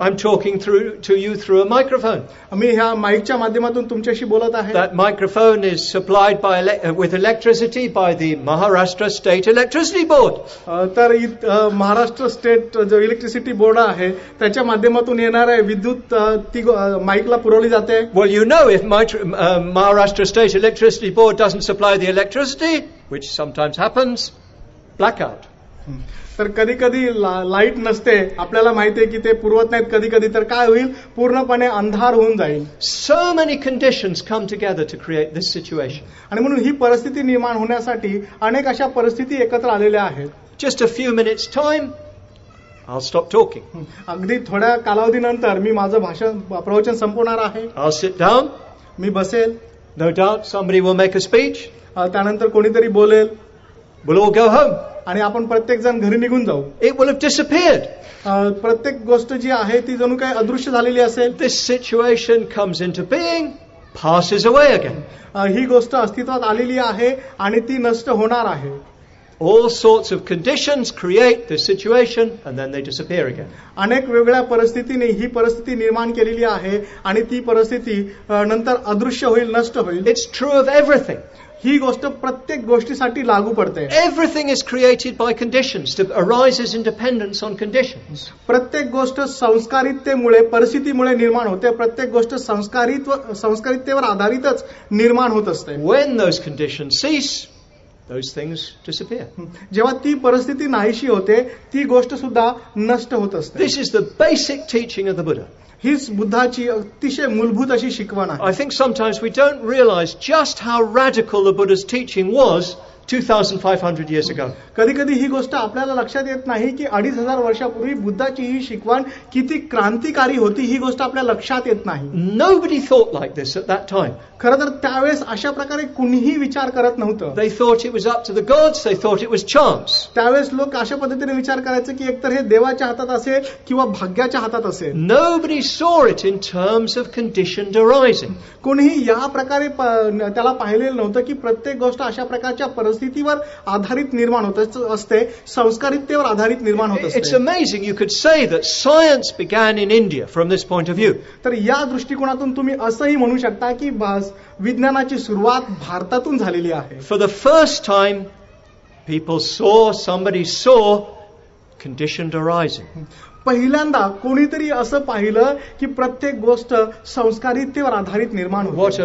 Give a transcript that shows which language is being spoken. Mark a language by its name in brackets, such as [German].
[English] I am talking through to you through a microphone. [Marathi] मी ह्या माईकच्या माध्यमातून तुमच्याशी बोलत आहे. [English] That microphone is supplied by with electricity by the Maharashtra state electricity board. [Marathi] तर Maharashtra state जो electricity board आहे त्याच्या माध्यमातून येणाऱ्या विद्युत माईकला. [English] Well, you know, if Maharashtra State Electricity Board doesn't supply the electricity, which sometimes happens, blackout. [Marathi] तर कधी कधी लाईट नसते, आपल्याला माहिती आहे की ते पुरवत नाहीत कधी कधी, तर काय होईल, पूर्णपणे अंधार होऊन जाईल. [English] So many conditions come together to create this situation. [Marathi] आणि म्हणून ही परिस्थिती निर्माण होण्यासाठी अनेक अशा परिस्थिती एकत्र आलेल्या आहेत. [English] Just a few minutes time I'll stop talking. [Marathi] अगदी थोड्या कालावधीनंतर मी माझं भाषण प्रवचन संपवणार आहे. [English] I'll sit down. [Marathi] मी बसेल. [English] No doubt somebody will make a speech. [Marathi] त्यानंतर कोणीतरी बोलेल. [English] We'll all go home. [Marathi] आणि आपण प्रत्येक जण घरी निघून जाऊ. [English] It will have disappeared. [Marathi] प्रत्येक गोष्ट जी आहे ती जणू काय अदृश्य झालेली असेल. [English] This situation comes into being, passes away again. [Marathi] ही गोष्ट अस्तित्वात आलेली आहे आणि ती नष्ट होणार आहे. [English] All sorts of conditions create the situation and then they disappear again. [Marathi] अनेक वेगळ्या परिस्थितीने ही परिस्थिती निर्माण केलेली आहे आणि ती परिस्थिती नंतर अदृश्य होईल, नष्ट होईल. [English] It's true of everything. [Marathi] ही गोष्ट प्रत्येक गोष्टीसाठी लागू पडते. [English] Everything is created by conditions. It arises in dependence on conditions. [Marathi] प्रत्येक गोष्ट संस्कारितेमुळे, परिस्थितीमुळे निर्माण होते. प्रत्येक गोष्ट संस्कारितेवर आधारितच निर्माण होत असते. [English] When those conditions cease, those things disappear. [Marathi] जेव्हा ती परिस्थिती नाहीशी होते ती गोष्ट सुद्धा नष्ट होत असते. [English] This is the basic teaching of the Buddha. [Marathi] हीच बुद्धाची अतिशय मूलभूत अशी शिकवण आहे. [English] I think sometimes we don't realize just how radical the Buddha's teaching was 2500 years ago. [Marathi] कधी कधी ही गोष्ट आपल्याला लक्षात येत नाही की 2500 वर्षापूर्वी बुद्धाची ही शिकवण किती क्रांतिकारी होती, ही गोष्ट आपल्या लक्षात येत नाही. [English] Nobody thought like this at that time. [Marathi] खरं तर त्यावेळेस अशा प्रकारे कुणीही विचार करत नव्हतं. [English] They thought it was up to the gods, they thought it was chance. [Marathi] त्यावेळेस लोक अशा पद्धतीने विचार करायचे की एकतर हे देवाच्या हातात असेल किंवा भाग्याच्या हातात असेल. [English] Nobody saw it in terms of conditioned arising. [Marathi] कोणीही या प्रकारे त्याला पाहिलेलं नव्हतं की प्रत्येक गोष्ट अशा प्रकारच्या परिस्थितीवर आधारित निर्माण होत असते, संस्कारितेवर आधारित निर्माण होत असते. [English] It's amazing you could say that science began in India from this point of view. [Marathi] तर या दृष्टिकोनातून तुम्ही असंही म्हणू शकता की विज्ञानाची सुरुवात भारतातून झालेली आहे. [English] For the first time people saw somebody saw conditioned arising. [Marathi] पहिल्यांदा कोणीतरी असं पाहिलं की प्रत्येक गोष्ट संस्कारितेवर आधारित निर्माण होते.